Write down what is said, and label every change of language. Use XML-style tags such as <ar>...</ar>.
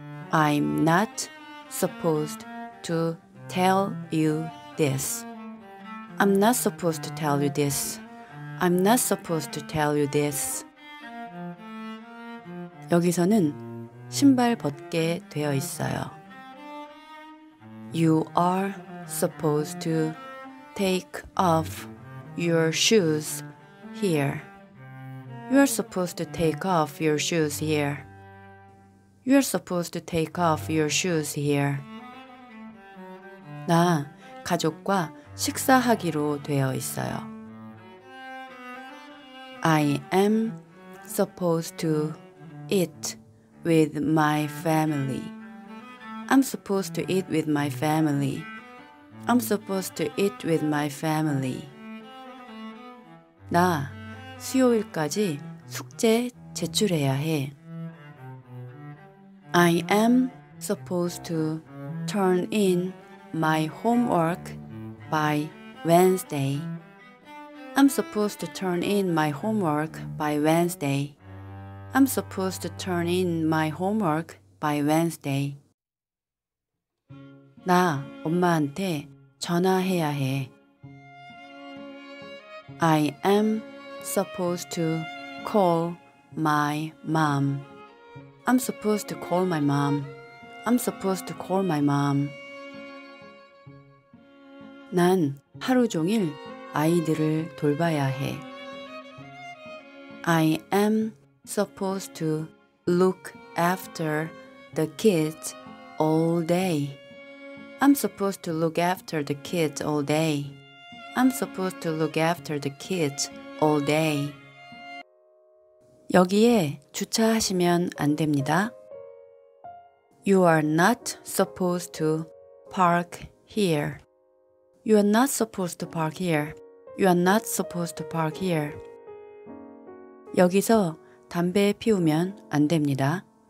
<en>I'm not supposed to tell you this. I'm not supposed to tell you this. I'm not supposed to tell you this.</en> <ko>여기서는 신발 벗게 되어 있어요.</ko> <en>You are supposed to take off your shoes here. You are supposed to take off your shoes here. You are supposed to take off your shoes here.</en> <ko>나 가족과 식사하기로 되어 있어요.</ko> <en>I am supposed to eat with my family. I'm supposed to eat with my family. I'm supposed to eat with my family.</en> <ko>나 수요일까지 숙제 제출해야 해.</ko> <en>I am supposed to turn in my homework by Wednesday. I'm supposed to turn in my homework by Wednesday. I'm supposed to turn in my homework by Wednesday.</en> <ko>나 엄마한테 전화해야 해.</ko> <en>I am supposed to call my mom. I'm supposed to call my mom. I'm supposed to call my mom.</en> <ko>난 하루 종일 아이들을 돌봐야 해.</ko> <en>I am supposed to look after the kids all day. I'm supposed to look after the kids all day. I'm supposed to look after the kids all day.</en> <ko>여기에 주차하시면 안 됩니다.</ko> <en>You are not supposed to park here. You are not supposed to park here. You are not supposed to park here.</en> <ko>여기서 담배 피우면 안 됩니다.</ko>